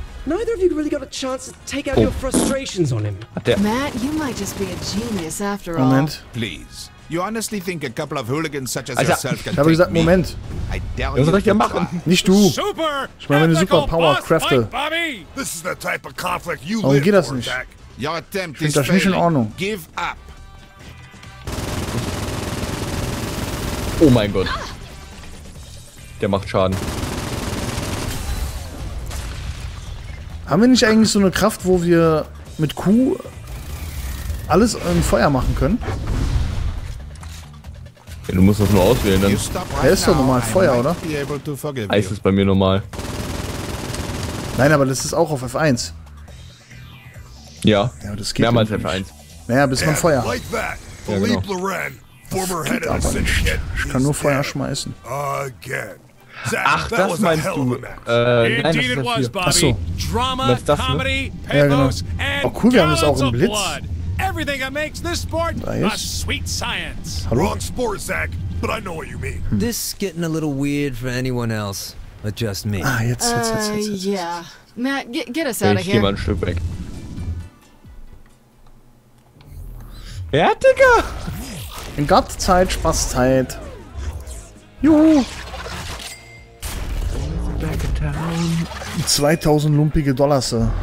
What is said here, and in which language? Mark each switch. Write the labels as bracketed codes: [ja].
[en] Neither of you really got a chance to take out your frustrations on him. Matt, you might just be a genius after all. [de] Moment. [en] Please. You honestly think a couple of hooligans such as yourself can take me? [de] Ich gesagt, Moment. Was soll ich hier machen? Nicht du. Super! Ich meine, meine Superpower Kräfte. [en] This is the type of conflict you live for, Jack. [de] Warum geht das nicht? Ich finde das nicht in Ordnung. [en] Give up. [de] Oh mein Gott. Der macht Schaden. Haben wir nicht eigentlich so eine Kraft, wo wir mit Q alles in Feuer machen können? Ja, du musst das nur auswählen, dann. Der ist doch normal Feuer, oder? Eis ist bei mir normal. Nein, aber das ist auch auf F1. Ja, ja das geht mehrmals F1. Naja, bis man Feuer hat. Ja, genau. Das geht aber nicht. Ich kann nur Feuer schmeißen. Ach, das meinst du? Nein, das ist das hier. Achso. Drama, das ist das, ne? Comedy, pathos, ja, genau. Oh cool, wir haben das auch im Blitz. [en] Everything that makes this sport a sweet science. Wrong sport, Zach, but I know what you mean. This is getting a little weird for anyone else, but just me. [de] Ah, jetzt. [en] Yeah. Matt, get us out of here. [de] Ich geh mal ein Stück weg. Ja, Digga! In Gottzeit, Spaßzeit. Juhu! 2000 lumpige Dollars.